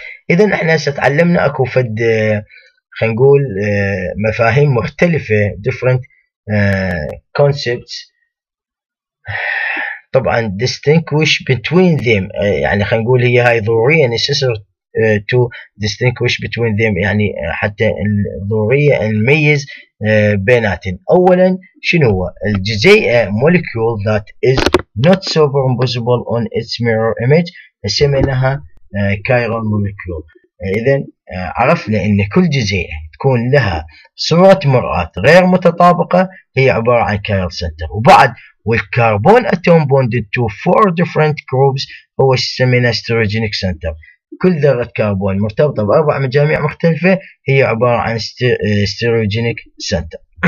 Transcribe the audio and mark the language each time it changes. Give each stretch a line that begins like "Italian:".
Arabic: اذا احنا ستعلمنا اكو فد خلينا نقول مفاهيم مختلفة،
English: different concepts،
Arabic: طبعا
English: distinguish between them،
Arabic: يعني خلينا نقول هي هاي ضرورية
English: necessary to distinguish between them،
Arabic: يعني حتى ضرورية نميز بيناتهم. اولا شنو هو الجزيئة
English: molecule that is not superimposable on its mirror image، سميناها chiral molecule.
Arabic: اذا عرفنا ان كل جزيئة تكون لها صورة مرآة غير متطابقة هي عبارة عن كايرال سنتر. وبعد والكربون
English: atom bonded to four different groups
Arabic: هو سمينا ستيروجينيك سنتر، كل ذرة كربون مرتبطة بأربع مجاميع مختلفة هي عبارة عن ستيروجينيك سنتر.